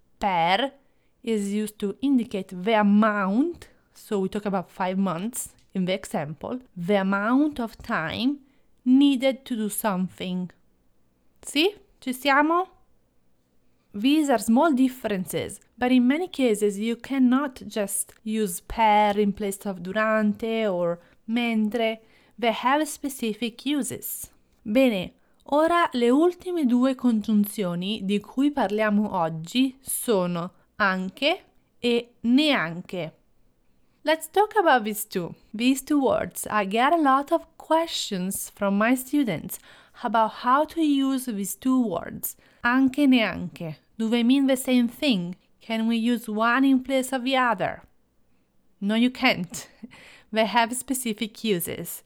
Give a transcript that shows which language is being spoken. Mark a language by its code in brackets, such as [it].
[en] Per is used to indicate the amount, so we talk about 5 months in the example, the amount of time needed to do something. [it] Sì? Ci siamo? [en] These are small differences, but in many cases you cannot just use per in place of durante or mentre. They have specific uses. [it] Bene, ora le ultime due congiunzioni di cui parliamo oggi sono anche e neanche. [en] Let's talk about these two. These two words. I get a lot of questions from my students about how to use these two words. [it] Anche e neanche. [en] Do they mean the same thing? Can we use one in place of the other? No, you can't. They have specific uses.